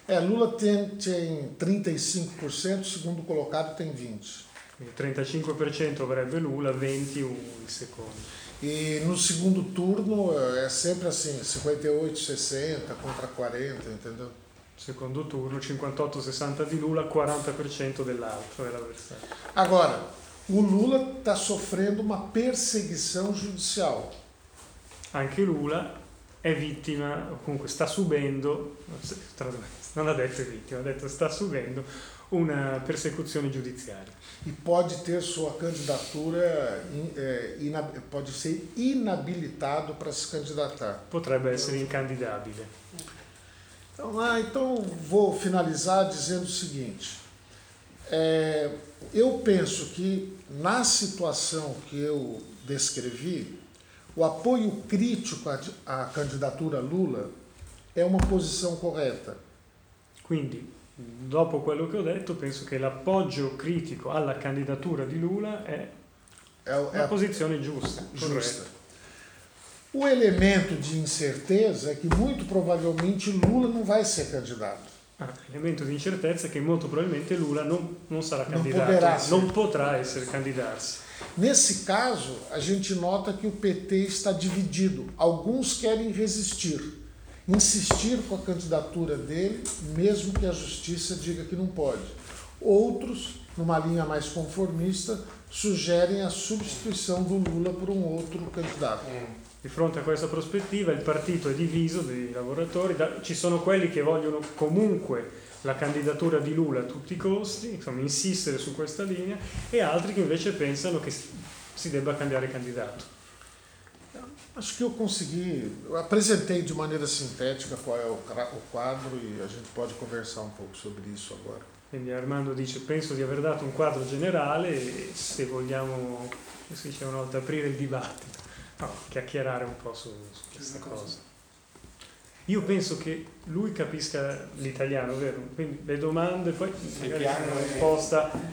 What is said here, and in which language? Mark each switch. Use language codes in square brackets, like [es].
[pt] Lula tem 35%, segundo colocado tem 20%. [it] 35% avrebbe Lula, 20% il secondo. [pt] E no segundo turno [it] è sempre [pt] assim, 58-60 [it] contro [pt] 40, entendeu? [it] Secondo turno, 58-60 di Lula, 40% dell'altro, dell'avversario. [pt] Agora, o Lula está sofrendo uma perseguição judicial. [it] Anche Lula è vittima, comunque sta subendo, non ha detto vittima, ha detto sta subendo una persecuzione giudiziaria. [pt] E pode ter sua candidatura, pode ser inabilitado para se candidatar. [it] Potrebbe essere incandidabile. [pt] Então vou finalizar dizendo o seguinte, eu penso que na situação que eu descrevi, o apoio crítico à candidatura Lula é uma posição correta. [it] Quindi, dopo quello che ho detto, penso che l'appoggio critico alla candidatura di Lula è una posizione giusta. Giusta. [pt] O elemento de incerteza é que muito provavelmente Lula não vai ser candidato. Elemento de incerteza é que muito provavelmente Lula não será candidato. Não poderá ser candidato. Nesse caso, a gente nota que o PT está dividido. Alguns querem resistir, insistir com a candidatura dele, mesmo que a justiça diga que não pode. Outros, numa linha mais conformista, sugerem a substituição do Lula por um outro candidato. [it] Di fronte a questa prospettiva il partito è diviso dei lavoratori, ci sono quelli che vogliono comunque la candidatura di Lula a tutti i costi, insomma insistere su questa linea, e altri che invece pensano che si debba cambiare candidato. [pt] Acho que eu consegui, eu apresentei de maneira sintética qual è o quadro e a gente pode conversar [it] un po' [pt] sobre isso agora. [it] Quindi Armando dice, penso di aver dato un quadro generale, se vogliamo, si dice una volta, aprire il dibattito. Chiacchierare un po' su questa cosa. Io penso che lui capisca l'italiano, vero? Quindi le domande, poi magari una risposta.